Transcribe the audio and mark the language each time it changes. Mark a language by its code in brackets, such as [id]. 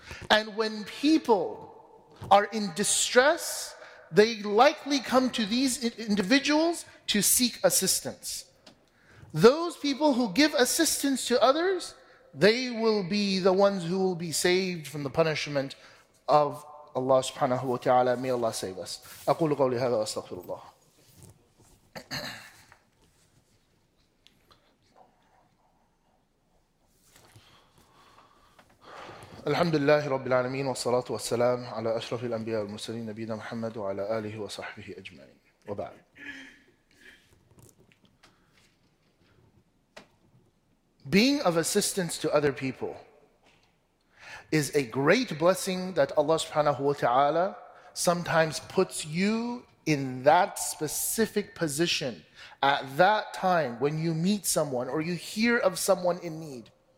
[en] And when people are in distress, they likely come to these individuals to seek assistance. Those people who give assistance to others, they will be the ones who will be saved from the punishment of Allah subhanahu wa ta'ala. May Allah save us. [ar] أقول قولي هذا وأستغفر الله. الحمد لله رب العالمين والصلاة والسلام على أشرف الأنبياء والمرسلين نبينا محمد وعلى آله وصحبه أجمعين وبعد. [en] Being of assistance to other people is a great blessing that Allah subhanahu wa ta'ala sometimes puts you in that specific position at that time when you meet someone or you hear of someone in need.